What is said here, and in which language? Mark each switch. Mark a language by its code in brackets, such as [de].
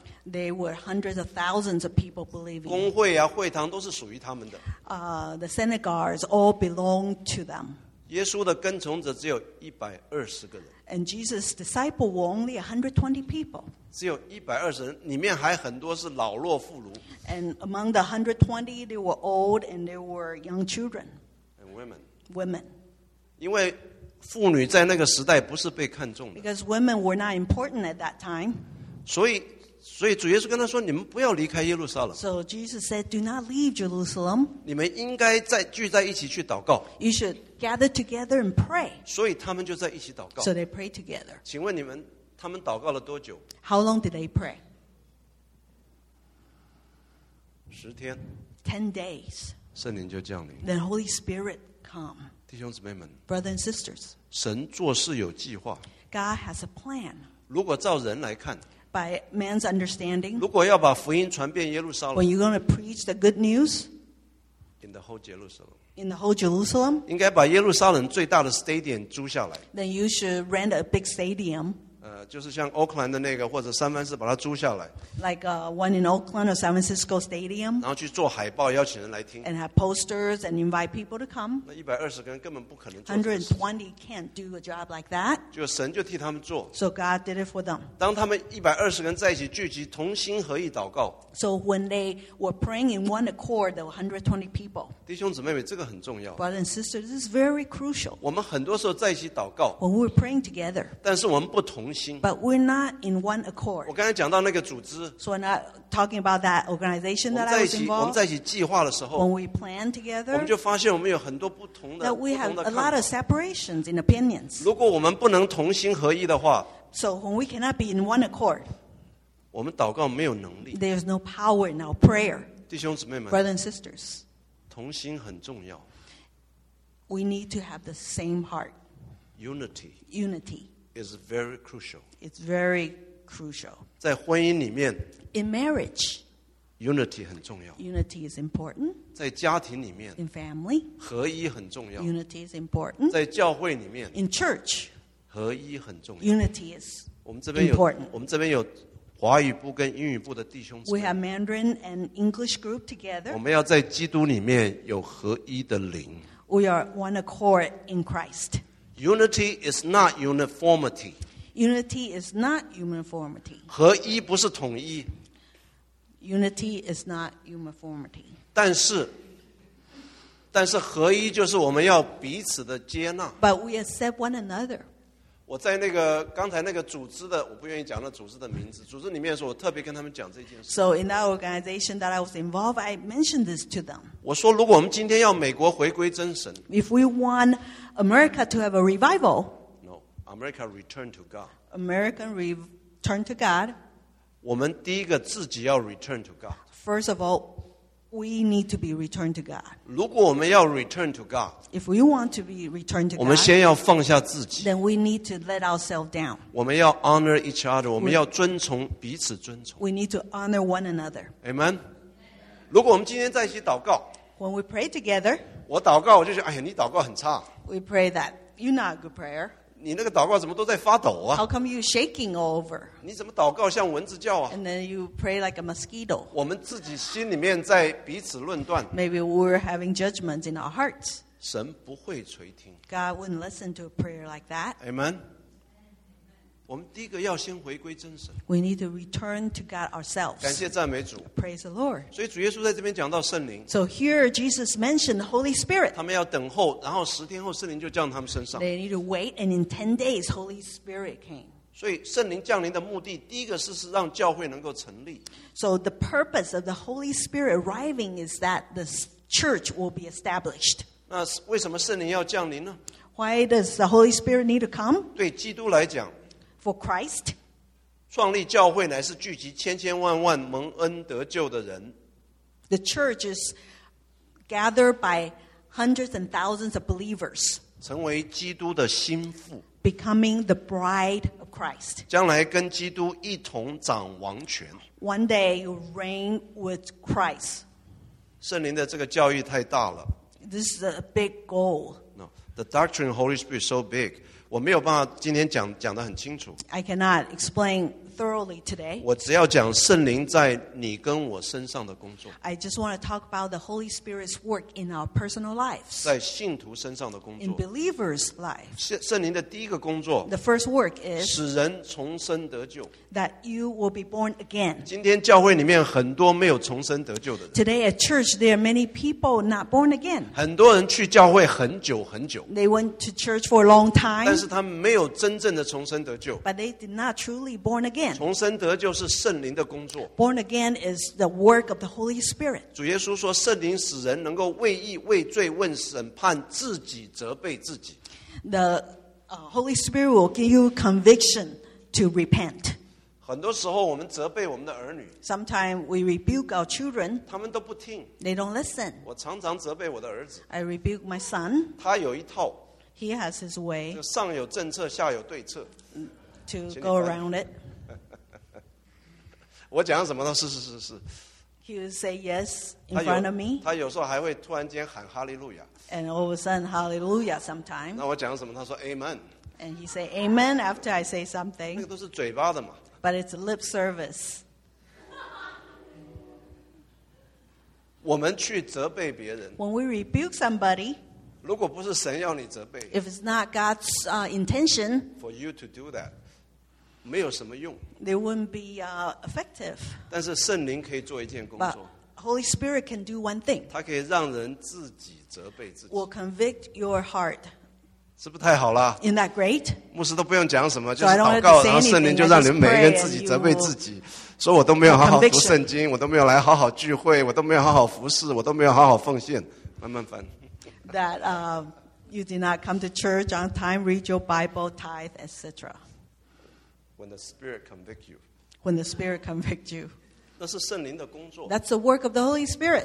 [en] They were hundreds of thousands of people believing. [zh] 公会啊，会堂都是属于他们的。 [en] The synagogues all belong to them. [zh] 耶稣的跟从者只有一百二十个人。 [en] And Jesus' disciple were only 120 people. [zh] 只有一百二十人，里面还很多是老弱妇孺。 [en] And among the 120, they were old and they were young children. And women. Women. [zh] 因为妇女在那个时代不是被看重的。 [en] Because women were not important at that time. [zh] 所以主耶稣跟他说：“你们不要离开耶路撒冷。” [en] So Jesus said, "Do not leave Jerusalem." [zh] 你们应该在聚在一起去祷告。 [en] You should gather together and pray. [zh] 所以他们就在一起祷告。 [en] So they prayed together. [zh] 请问你们，他们祷告了多久 [en] ？How long did they pray? [zh] 十天。 [en] 10 days. [zh] 圣灵就降临。 [en] Then Holy Spirit come. [zh] 弟兄姊妹们 [en] Brothers and sisters, [zh] 神做事有计划 [en] God has a plan. [zh] 如果照人来看, [en] by man's understanding, [zh] 如果要把福音传遍耶路撒冷, [en] when you're going to preach the good news in the whole Jerusalem, in the whole Jerusalem, [zh] 应该把耶路撒冷最大的 stadium 租下来, [en] then you should rent a big stadium. [zh] 就是像 Oakland 的那个或者三藩市把它租下来 [en] like one in Oakland or San Francisco Stadium [zh] 然后去做海报邀请人来听 [en] and have posters and invite people to come [zh] 那120个人根本不可能做 [en] 120 can't do a job like that [zh] 就神就替他们做 [en] so God did it for them [zh] 当他们120个人在一起聚集同心合意祷告 [en] so when they were praying in one accord there were 120 people [zh] 弟兄姊妹们这个很重要 [en] brothers and sisters this is very crucial [zh] 我们很多时候在一起祷告 [en] when we were praying together [zh] 但是我们不同心 [en] But we're not in one accord. [zh] 我刚才讲到那个组织 [en] So we're not talking about that organization that I was involved. [zh] 我们在一起计划的时候 [en] When we plan together, [zh] 我们就发现我们有很多不同的 [en] That we have a lot of separations in opinions. [zh] 如果我们不能同心合一的话 [en] So when we cannot be in one accord, [zh] 我们祷告没有能力 [en] There's no power in our prayer. [zh] 弟兄姊妹们 [en] Brothers and sisters, [zh] 同心很重要 [en] We need to have the same heart. Unity. Unity. Is very crucial. It's very crucial. [zh] 在婚姻里面 [en] In marriage, [zh] unity 很重要 [en] Unity is important. [zh] 在家庭里面 [en] In family, [zh] 合一很重要 [en] Unity is important. [zh] 在教会里面 [en] In church, [zh] 合一很重要 [en] Unity is important. [zh] 我们这边有华语部跟英语部的弟兄姊妹 [en] We have Mandarin and English group together. [zh] 我们要在基督里面有合一的灵 [en] We are one accord in Christ. Unity is not uniformity. Unity is not uniformity. [zh] 合一不是统一。 [en] Unity is not uniformity. [zh] 但是合一就是我们要彼此的接纳。 [en] But we accept one another. [zh] 我在那个刚才那个组织的，我不愿意讲那组织的名字。组织里面的时候，我特别跟他们讲这件事。 [en] So in that organization that I was involved, I mentioned this to them. [zh] 我说，如果我们今天要美国回归真神 [en] ，If we want America to have a revival. No, America return to God. American return to God. [zh] 我们第一个自己要 [en] return to God. First of all, we need to be returned to God. [zh] 如果我们要 [en] return to God, if we want to be returned to God, [zh] 我们先要放下自己。 [en] Then we need to let ourselves down. [zh] 我们要 [en] honor each other. [zh] 我们要遵从彼此遵从。 [en] We need to honor one another. Amen. [zh] 如果我们今天在一起祷告。 [en] When we pray together, [zh] 我祷告我就觉得哎呀你祷告很差。 [en] We pray that you're not a good prayer. [zh] 你那个祷告怎么都在发抖啊 [en] How come you're shaking all over? [zh] 你怎么祷告像蚊子叫啊 [en] And then you pray like a mosquito. [zh] 我们自己心里面在彼此论断 [en] Maybe we're having judgments in our hearts. [zh] 神不会垂听 [en] God wouldn't listen to a prayer like that. Amen. [zh] 我们第一个要先回归真神 [en] We need to return to God ourselves. [zh] 感谢赞美主 [en] Praise the Lord. [zh] 所以主耶稣在这边讲到圣灵 [en] So here Jesus mentioned the Holy Spirit. [zh] 他们要等候然后十天后圣灵就降他们身上 [en] They need to wait and in 10 days Holy Spirit came. [zh] 所以圣灵降临的目的第一个是让教会能够成立 [en] So the purpose of the Holy Spirit arriving is that the church will be established. [zh] 那为什么圣灵要降临呢 [en] Why does the Holy Spirit need to come? [zh] 对基督来讲 [en] For Christ, [zh] 创立教会乃是聚集千千万万蒙恩得救的人。 [en] The church is gathered by hundreds and thousands of believers. [zh] 成为基督的心腹。 [en] Becoming the bride of Christ. [zh] 将来跟基督一同掌王权。 [en] One day you reign with Christ. [zh] 圣灵的这个教义太大了。 [en] This is a big goal. No, the doctrine of Holy Spirit is so big. [zh] 我没有办法今天讲得很清楚。 [en] I cannot explain thoroughly today. [zh] 我只要讲圣灵在你跟我身上的工作。 [en] I just want to talk about the Holy Spirit's work in our personal lives. [zh] 在信徒身上的工作。 [en] In believers' lives. [zh] 圣灵的第一个工作。 [en] The first work is. [zh] 使人重生得救。 [en] That you will be born again. [zh] 今天教会里面很多没有重生得救的人。 [en] Today at church, there are many people not born again. [zh] 很多人去教会很久很久。 [en] They went to church for a long time. [zh] 但是他们没有真正的重生得救。 [en] But they did not truly born again. [zh] 重生得救是圣灵的工作。 [en] Born again is the work of the Holy Spirit. [zh] 主耶稣说，圣灵使人能够为义、为罪、问审判自己、责备自己。 [en] The Holy Spirit will give you conviction to repent. [zh] 很多时候我们责备我们的儿女。 [en] Sometimes we rebuke our children. [zh] 他们都不听。 [en] They don't listen. [zh] 我常常责备我的儿子。 [en] I rebuke my son. [zh] 他有一套。 [en] He has his way. [zh] 上有政策，下有对策。 [en] To go around it. [zh] 我讲什么呢？是是是是。 [en] He would say yes in front of me. [zh] 他有时候还会突然间喊哈利路亚。 [en] And all of a sudden, hallelujah sometime. [zh] 那我讲什么？他说 amen. [en] And he say amen after I say something. [zh] 那个都是嘴巴的嘛。 [en] But it's lip service. [zh] 我们去责备别人。 [en] When we rebuke somebody, [zh] 如果不是神要你责备 [en] if it's not God's intention for you to do that, [zh] 没有什么用 [en] they wouldn't be effective. [zh] 但是圣灵可以做一件工作 [en] But Holy Spirit can do one thing. [zh] 他可以让人自己责备自己 [en] will convict your heart. [zh] 是不是太好了 [en] Isn't that great? [zh] 牧师都不用讲什么就是祷告然后圣灵就让你们每一个人自己责备自己说我都没有好好读圣经我都没有来好好聚会我都没有好好服侍我都没有好好奉献慢慢翻 [en] That you did not come to church on time, read your Bible, tithe, etc. When the Spirit convicts you. When the Spirit convicts you. [zh] 那是圣灵的工作。 [en] That's the work of the Holy Spirit.